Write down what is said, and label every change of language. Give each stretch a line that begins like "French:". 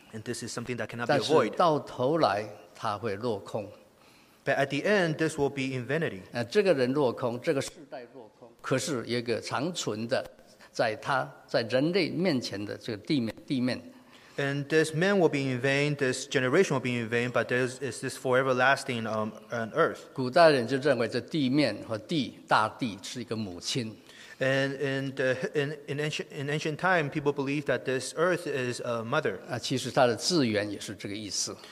English: And this is something that cannot be avoided.
Chinese: 但是到头来，它会落空。
English: But at the end, this will be in vanity.
Chinese: 这个人落空，这个世代落空。可是有一个长存的，在人类面前的这个地面。
English: And this man will be in vain. This generation will be in vain. But there is this foreverlasting on earth.
Chinese: 古代人就认为这地面和地，大地是一个母亲。
English: And in ancient time, people believed that this earth is a mother.
Chinese: 其实它的字源也是这个意思。